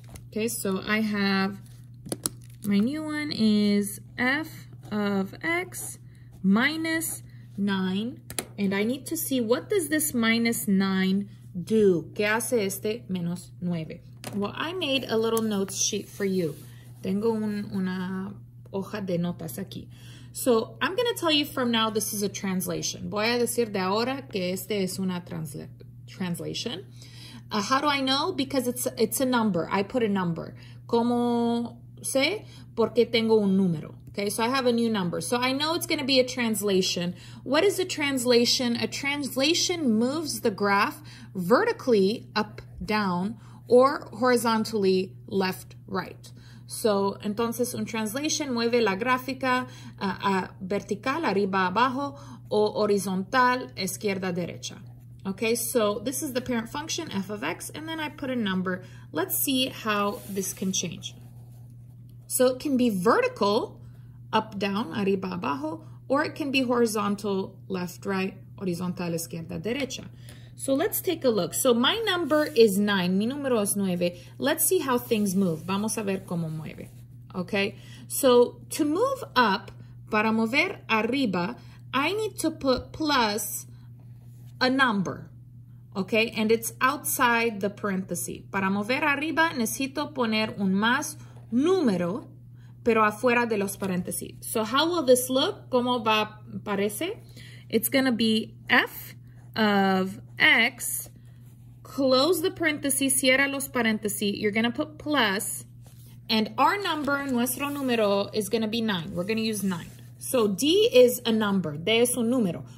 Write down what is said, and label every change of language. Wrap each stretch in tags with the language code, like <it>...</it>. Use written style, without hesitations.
<en>Okay, so I have my new one is f of x minus 9. And I need to see what does this minus 9 do?</en> <es>¿Qué hace este menos 9?</es> <en>Well, I made a little notes sheet for you.</en> <es>Tengo una hoja de notas aquí.</es> <en>So I'm going to tell you from now this is a translation.</en> <es>Voy a decir de ahora que este es una translation.</es> <en>How do I know? Because it's a number. I put a number.</en> <es>¿Cómo sé? Porque tengo un número.</es> <en>Okay, so I have a new number. So I know it's going to be a translation. What is a translation? A translation moves the graph vertically up, down, or horizontally left, right.</en> <es>So, entonces, un translation mueve la gráfica a vertical, arriba, abajo, o horizontal, izquierda, derecha.</es> <en>Okay, so this is the parent function, f of x, and then I put a number. Let's see how this can change. So it can be vertical, up, down,</en> <es>arriba, abajo,</es> <en>or it can be horizontal, left, right, horizontal,</en> <es>izquierda, derecha.</es> <en>So let's take a look. So my number is 9.</en> <es>Mi número es 9.</es> <en>Let's see how things move.</en> <es>Vamos a ver cómo mueve.</es> <en>Okay? So to move up,</en> <es>para mover arriba,</es> <en>I need to put plus a number. Okay? And it's outside the parenthesis.</en> <es>Para mover arriba, necesito poner un más número, pero afuera de los parentheses.</es> <en>So how will this look?</en> <es>¿Cómo va parece?</es> <en>It's going to be f of x, close the parentheses,</en> <es>cierra los parentheses,</es> <en>you're going to put plus, and our number,</en> <es>nuestro número,</es> <en>is going to be 9. We're going to use 9. So D is a number.</en> <es>D es un número.</es>